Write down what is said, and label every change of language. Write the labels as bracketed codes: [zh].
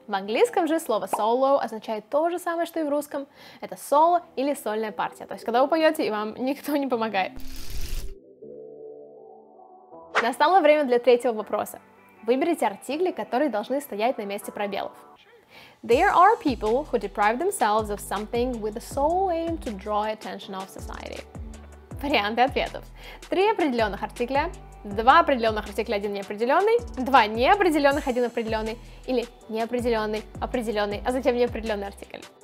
[ru] В английском же слово solo означает то же самое, что и в русском. Это соло или сольная партия, то есть когда вы поете и вам никто не помогает. Настало время для третьего вопроса. Выберите артикли, которые должны стоять на месте пробелов. [en] There are people who deprive themselves of something with the sole aim to draw attention of society. [ru] Варианты ответов. Три определенных артикля, два определенных артикля, один неопределенный, два неопределенных, один определенный, или неопределенный, определенный, а затем неопределенный артикль.